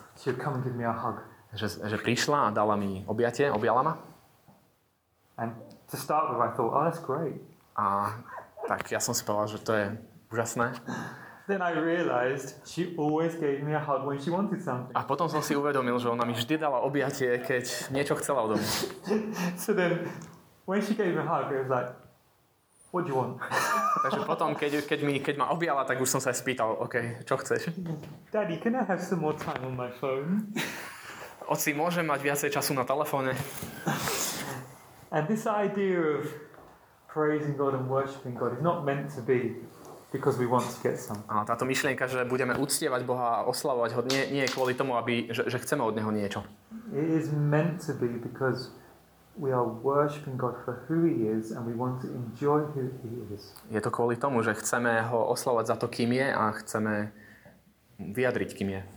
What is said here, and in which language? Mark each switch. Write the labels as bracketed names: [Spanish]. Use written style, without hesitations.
[English] She would come and give me a hug. [Slovak] Že prišla a dala mi objatie, objala ma. [English] And to start with, I thought, oh, that's great. [Slovak] A tak ja som si povedal, že to je úžasné. [English] Then I realized she always gave me a hug when she wanted something. [Slovak] A potom som si uvedomil, že ona mi vždy dala objatie, keď niečo chcela odo mňa. [English] So then, when she gave me a hug, I was like, what do you want? [Slovak] Takže potom, keď ma objala, tak už som sa spýtal, OK, čo chceš? [English] Daddy, can I have some more time on my phone? [Slovak] Otci, môžem mať viacej času na telefóne. [English] And this idea of praising God and worshiping God is not meant to be because we want to get some. [Slovak] A táto myšlienka, že budeme uctievať Boha a oslavovať ho, nie je kvôli tomu, že chceme od neho niečo. [English] It is meant to be because we are worshiping God for who he is and we want to enjoy who he is. [Slovak] Je to kvôli tomu, že chceme ho oslavovať za to, kým je a chceme vyjadriť, kým je.